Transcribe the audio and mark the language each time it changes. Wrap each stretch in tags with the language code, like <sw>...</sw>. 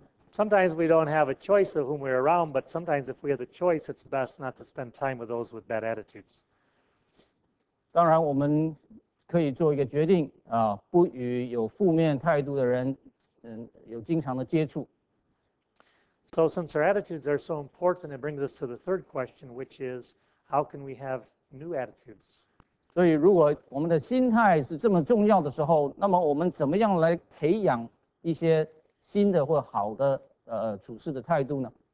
<en>Sometimes we don't have a choice of whom we're around, but sometimes if we have the choice, it's best not to spend time with those with bad attitudes.</en> <zh>当然，我们可以做一个决定，不与有负面态度的人。</zh> <en>So since our attitudes are so important, it brings us to the third question, which is, how can we have new attitudes?</en> <zh>所以如果我们的心态是这么重要的时候，那么我们怎么样来培养一些新的或好的处事的态度呢？</zh>